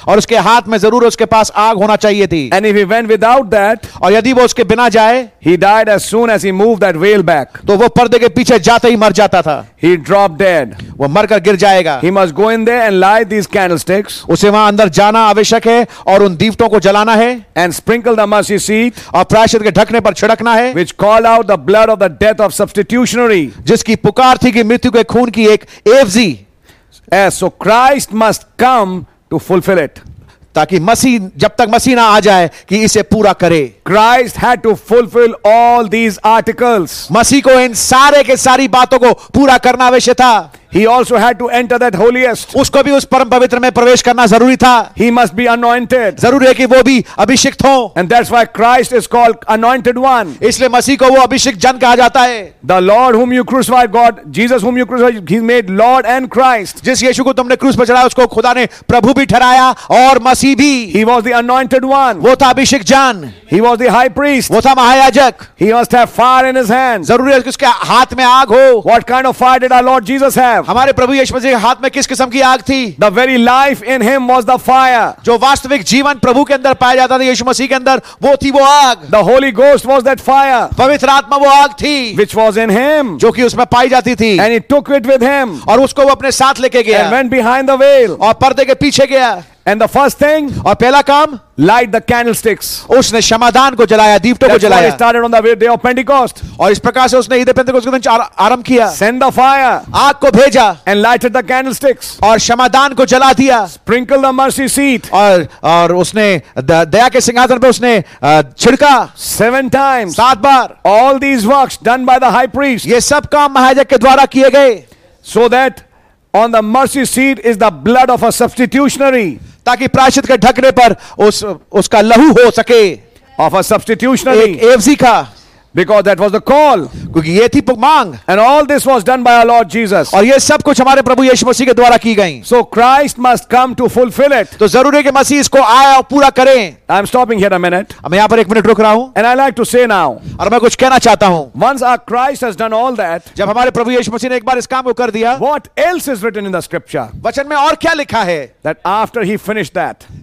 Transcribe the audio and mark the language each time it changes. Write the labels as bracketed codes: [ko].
[hi] और उसके हाथ में जरूर उसके पास आग होना चाहिए थी. [en] And if he went without that, [hi] और यदि वो उसके बिना जाए, [en] he died as soon as he moved that veil back. [hi] तो वो पर्दे के पीछे जाते ही मर जाता था. [en] He dropped dead. [hi] वो मरकर गिर जाएगा. [en] He must go in there and light these candlesticks. [hi] उसे वहां अंदर जाना आवश्यक है और उन दीपटों को जलाना है. [en] And sprinkle the mercy seat. [hi] और प्रायश्चित के ढकने पर छिड़कना है. [en] Which called out the blood of the death of substitutionary. [hi] जिसकी पुकार थी कि मृत्यु के खून की एक एवजी. [en] So Christ must come to fulfill it. [hi] ताकि मसीह, जब तक मसीह ना आ जाए कि इसे पूरा करे. [en] Christ had to fulfill all these articles. [hi] मसीह को इन सारे के सारी बातों को पूरा करना आवश्यक था. [en] He also had to enter that holiest. [hi] उसको भी उस परम पवित्र में प्रवेश करना जरूरी था. [en] He must be anointed. [hi] जरूरी है कि वो भी अभिषिक्त हो. [en] And that's why Christ is called anointed one. [hi] इसलिए मसीह को वो अभिषिक्त जन कहा जाता है. [en] The Lord whom you crucified, God, Jesus whom you crucified, He made Lord and Christ. [hi] जिस यीशु को तुमने क्रूस पर चढ़ाया उसको खुदा ने प्रभु भी ठहराया और मसीह भी. [en] He was the anointed one. [hi] वो था अभिषिक्त जन. [en] He was the high priest. [hi] वो था महायाजक. [en] He must have fire in his hands. [hi] जरूरी है कि उसके हाथ में आग हो. [en] What kind of fire did our Lord Jesus have? [hi] हमारे प्रभु यीशु मसीह के हाथ में किस किस्म की आग थी? [en] The very life in him was the fire. [hi] जो वास्तविक जीवन प्रभु के अंदर पाया जाता था यीशु मसीह के अंदर वो थी वो आग. [en] The Holy Ghost was that fire. [hi] पवित्र आत्मा वो आग थी. [en] Which was in him. [hi] जो कि उसमें पाई जाती थी. [en] And he took it with him. [hi] और उसको वो अपने साथ लेके गया. [en] And went behind the veil. [hi] और पर्दे के पीछे गया. [en] And the first thing. [hi] और पहला काम. [en] Light the candlesticks. [hi] उसने शमादान को जलाया, दीप्तों को जलाया. [en] That's why he started on the day of Pentecost. [hi] और इस प्रकार से उसने ईद पेंतेकोस्त के दिन आरंभ किया. [en] Send the fire. [hi] आग को भेजा. [en] And lighted the candlesticks. [hi] और शमादान को जला दिया. [en] Sprinkle the mercy seat. [hi] और उसने दया के सिंहासन पे उसने छिड़का. [en] Seven times. [hi] सात बार. [en] All these works done by the high priest. [hi] ये सब काम महायाजक के द्वारा किए गए. [en] So that on the mercy seat is the blood of a substitutionary. [hi] ताकि प्रायश्चित के ढकने पर उसका लहू हो सके. [en] of a substitutionary, [hi] एक एफसी का. [en] Because that was the call. [hi] क्योंकि ये थी मांग. [en] And all this was done by our Lord Jesus. [hi] और ये सब कुछ हमारे प्रभु यीशु मसीह के द्वारा की गई. [en] So Christ must come to fulfill it. [hi] तो जरूरी है कि मसीह इसको आया और पूरा करें. [en] I'm stopping here a minute. [hi] मैं यहाँ पर एक मिनट रुक रहा हूँ. [en] And I like to say now. [hi] और मैं कुछ कहना चाहता हूँ. [en] Once our Christ has done all that. [hi] जब हमारे प्रभु यीशु मसीह ने एक बार इस काम को कर दिया. [en] What else is written in the scripture? [hi] वचन में और क्या लिखा है? [en] That after he finished that.